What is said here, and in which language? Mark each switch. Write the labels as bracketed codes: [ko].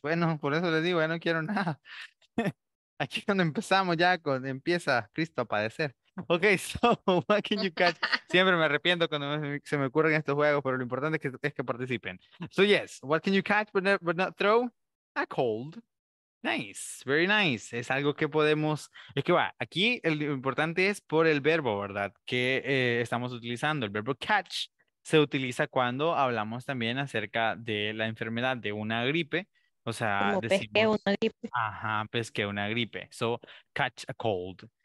[es] Bueno, por eso le digo, no quiero nada. Aquí donde empezamos ya con empieza Cristo a padecer. Okay, so what can you catch? Siempre me arrepiento cuando se me ocurren estos juegos, pero lo importante es que participen. [en] So yes, what can you catch but not throw? [es] A cold. Nice, very nice. Es algo que podemos. Es que va. Aquí el importante es por el verbo, ¿verdad? Que estamos utilizando. El verbo catch se utiliza cuando hablamos también acerca de la enfermedad de una gripe. O sea, como decimos, pesqué una gripe. Ajá, pesqué una gripe. So, catch a cold.